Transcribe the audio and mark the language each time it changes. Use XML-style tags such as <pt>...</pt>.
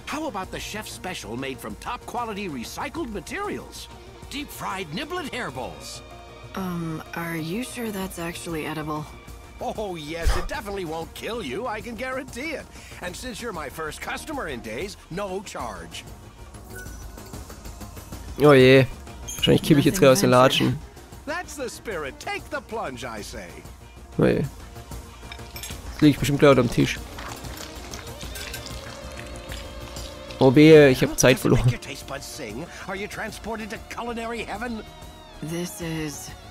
<en>How about the chef's special made from top quality recycled materials? Deep fried niblet hairballs. Are you sure that's actually edible? Oh yes, it definitely won't kill you, I can guarantee it. And since you're my first customer in days, no charge.</en> <de>Oh je, wahrscheinlich kippe ich jetzt gerade aus den Latschen.</de> <en>That's the spirit, take the plunge, I say.</en> <de>Oh je. Liege ich bestimmt gleich am Tisch. Oh wehe, ich habe Zeit verloren.</de> <en>Your taste buds sing? Are you transported to culinary heaven? This is...</en>